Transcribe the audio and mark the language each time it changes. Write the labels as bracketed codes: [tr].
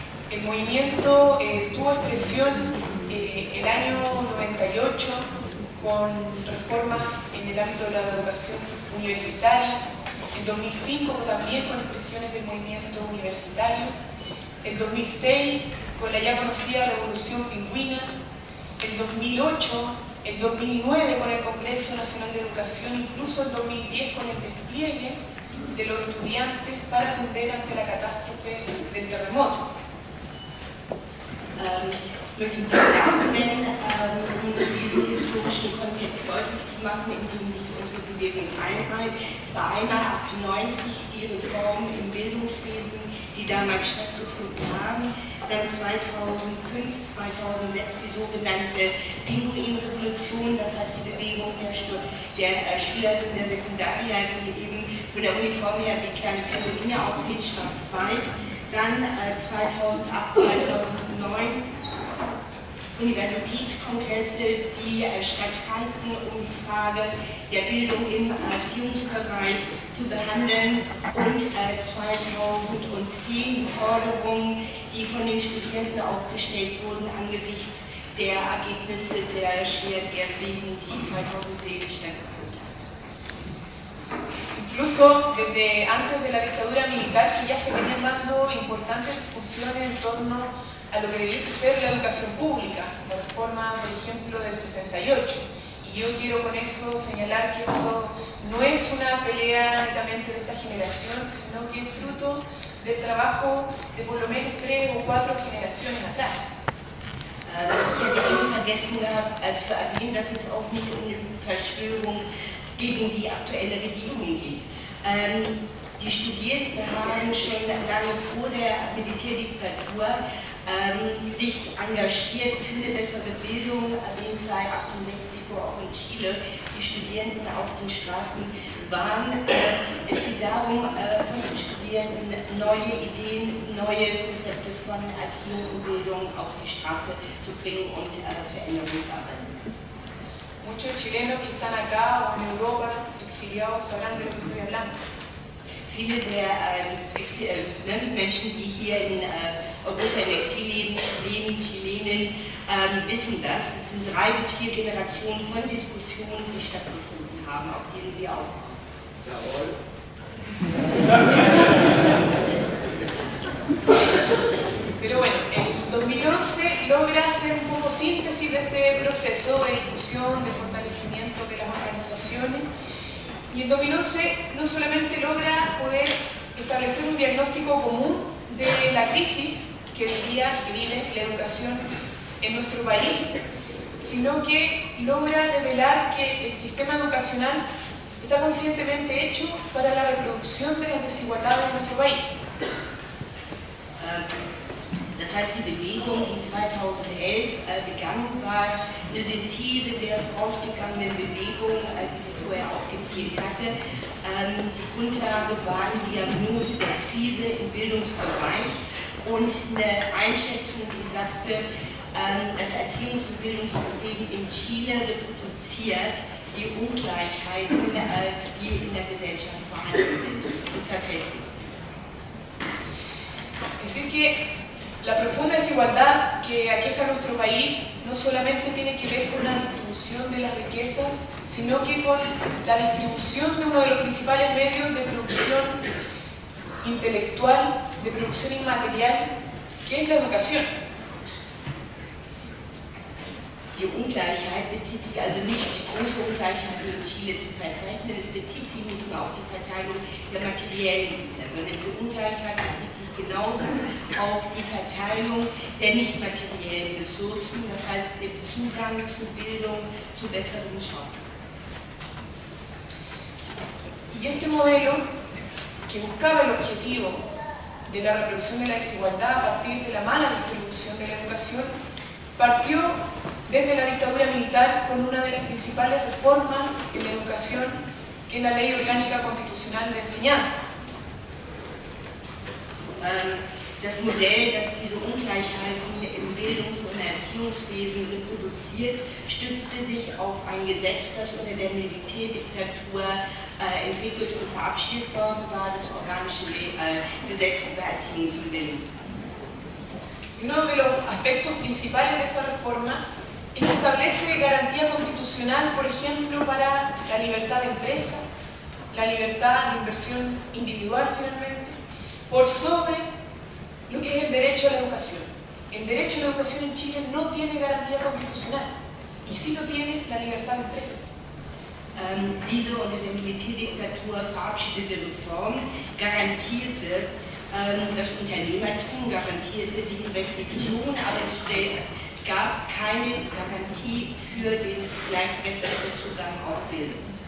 [es] El movimiento tuvo expresión el año 98 con reformas en el ámbito de la educación universitaria, en 2005 también con expresiones del movimiento universitario, en 2006 con la ya conocida Revolución Pingüina, en 2008, en 2009 con el Congreso Nacional de Educación, incluso en 2010 con el despliegue de los estudiantes para atender ante la catástrofe del terremoto. [de] Ich möchte auch nennen, um diesen historischen Kontext deutlich zu machen, in dem sich unsere Bewegung einreiht. Es war einmal 98 die Reformen im Bildungswesen, die damals stattgefunden haben. Dann 2005, 2006 die sogenannte Pinguin-Revolution, das heißt die Bewegung der Schülerinnen der Sekundaria, die eben von der Uniform her wie kleine Pinguine aussieht, schwarz-weiß. Dann 2008, 2009 Universitätskongresse, die stattfanden, um die Frage der Bildung im Erziehungsbereich zu behandeln und 2010 die Forderungen, die von den Studierenden aufgestellt wurden angesichts der Ergebnisse der Schwerwiegenden, die 2010 stattgefunden haben. [es] Incluso desde antes de la dictadura militar, que ya se venían dando importantes discusiones en torno a lo que debiese ser la educación pública, la reforma, por ejemplo, del 68, y Y yo quiero con eso señalar que esto no es una pelea netamente de esta generación, sino que es fruto del trabajo de por lo menos tres o cuatro generaciones atrás. [de] Ich hätte eben vergessen gehabt, zu erwähnen, dass es auch nicht um eine Verschwörung gegen die aktuelle Regierung geht. Die Studierenden haben schon lange vor der Militärdiktatur sich engagiert für eine bessere Bildung, erwähnt sei 68 vor auch in Chile, die Studierenden auf den Straßen waren. Es geht darum, von den Studierenden neue Ideen, neue Konzepte von Erziehung und Bildung auf die Straße zu bringen und Veränderungen zu erreichen. [es] Muchos chilenos que están acá o en Europa, exiliados, hablan de lo que estoy hablando. [de] Viele der Menschen, die hier in Europa im Exil leben, Chilenen, Chilenen, wissen das. Es sind drei bis vier Generationen von Diskussionen, die stattgefunden haben, auf denen wir aufbauen. [es] Pero bueno, en 2011 logra hacer un poco síntesis de este proceso de discusión, de fortalecimiento de las organizaciones. Y en 2011 no solamente logra poder establecer un diagnóstico común de la crisis que vivía y que vive la educación en nuestro país, sino que logra develar que el sistema educacional está conscientemente hecho para la reproducción de las desigualdades en nuestro país. [de] Das heißt, die Bewegung, die 2011 begangen war, eine Synthese der vorausgegangenen Bewegung, die sie vorher aufgezählt hatte. Die Grundlage war die Diagnose der Krise im Bildungsbereich und eine Einschätzung, die sagte, das Erziehungs- und Bildungssystem in Chile reproduziert die Ungleichheiten, die in der Gesellschaft vorhanden sind und verfestigt sind. [es] La profunda desigualdad que aqueja a nuestro país no solamente tiene que ver con la distribución de las riquezas, sino que con la distribución de uno de los principales medios de producción intelectual, de producción inmaterial, que es la educación. [de] Die Ungleichheit bezieht sich also nicht, die große Ungleichheit, die in Chile zu verzeichnen ist, bezieht sich nicht nur auf die Verteilung der materiellen Güter, sondern die Ungleichheit bezieht sich genauso auf die Verteilung der nicht materiellen Ressourcen, das heißt dem Zugang zu Bildung, zu besseren Chancen. [es] Y este modelo, que buscaba el objetivo de la reproducción de la desigualdad a partir de la mala distribución de la educación, partió desde la dictadura militar con una de las principales reformas en la educación, que es la Ley Orgánica Constitucional de Enseñanza. [de] Das Modell, das diese Ungleichheiten im Bildungs- und Erziehungswesen reproduziert, stützte sich auf ein Gesetz, das unter der Militärdiktatur entwickelt und verabschiedet worden war, das organische Gesetz über Erziehungs- und Bildungspolitik. [es] Uno de los aspectos principales de esa reforma es que establece garantía constitucional, por ejemplo, para la libertad de empresa, la libertad de inversión individual, finalmente, por sobre lo que es el derecho a la educación. El derecho a la educación en Chile no tiene garantía constitucional, y sí lo tiene la libertad de empresa. [de] Diese unter der Militärdiktatur verabschiedete Reform garantierte das Unternehmertum, garantierte die Investition, aber es stellte gab keine Garantie für den gleichberechtigten Zugang auf Bildung.